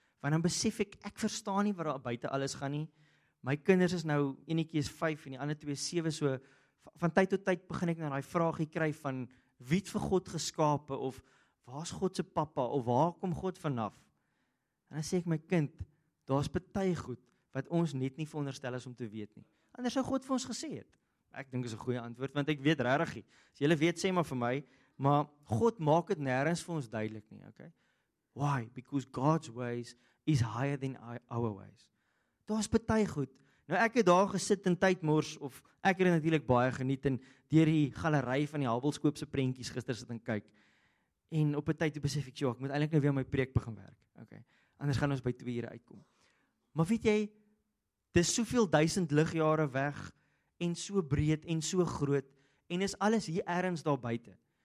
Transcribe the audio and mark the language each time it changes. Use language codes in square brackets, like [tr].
[af] Want dan besef ek, ek verstaan nie wat daar buite alles gaan nie. My kinders is nou, enetjie is 5 en die ander 2 is 7, so van tyd tot tyd begin ek na die vraagie kry van wie het vir God geskape, of waar is God se papa, of waar kom God vanaf? En dan sê ek my kind, daar is baie goed wat ons net nie veronderstel is om te weet nie. Anders sou God vir ons gesê het. Ek dink is 'n goeie antwoord, want ek weet regtig nie. As julle weet, sê maar vir my, maar God maak het nêrens vir ons duidelik nie, okay? [en] Why? Because God's ways is higher than our ways. [af] Daar's baie goed. Nou ek het daar gesit in tydmors, of ek het natuurlik baie geniet en deur die galery van die Hubbleskoop se prentjies gister sit en kyk. En op 'n tyd toe besef ek, ek moet eintlik nou weer my preek begin werk. Okay. Anders gaan ons by 2 ure uitkom. Maar weet jy, dis soveel duisend ligjare weg en so breed en so groot en is alles hier ergens daar buite.